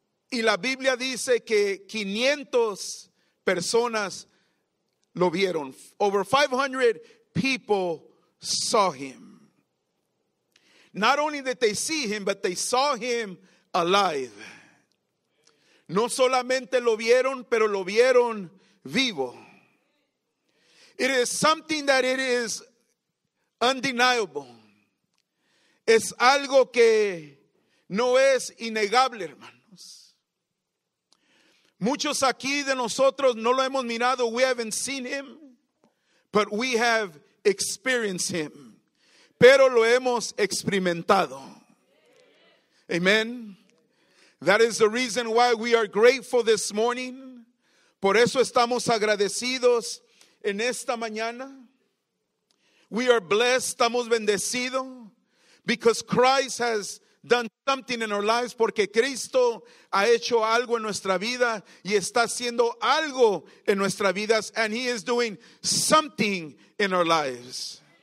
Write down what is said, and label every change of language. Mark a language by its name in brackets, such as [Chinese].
[Spanish] Y la Biblia dice que 500 personas lo vieron. [English] Over 500 people saw him. Not only did they see him, but they saw him alive. [Spanish] No solamente lo vieron, pero lo vieron vivo. [English] It is something that it is undeniable. [Spanish] Es algo que no es innegable, hermanos. Muchos aquí de nosotros no lo hemos mirado. [English] We haven't seen him, but we have experienced him. [Spanish] Pero lo hemos experimentado. Amen. [English] That is the reason why we are grateful this morning. [Spanish] Por eso estamos agradecidos en esta mañana. [English] We are blessed. [Spanish] Estamos bendecidos. [English] Because Christ has done something in our lives. [Spanish] Porque Cristo ha hecho algo en nuestra vida. Y está haciendo algo en nuestras vidas. [English] And he is doing something in our lives.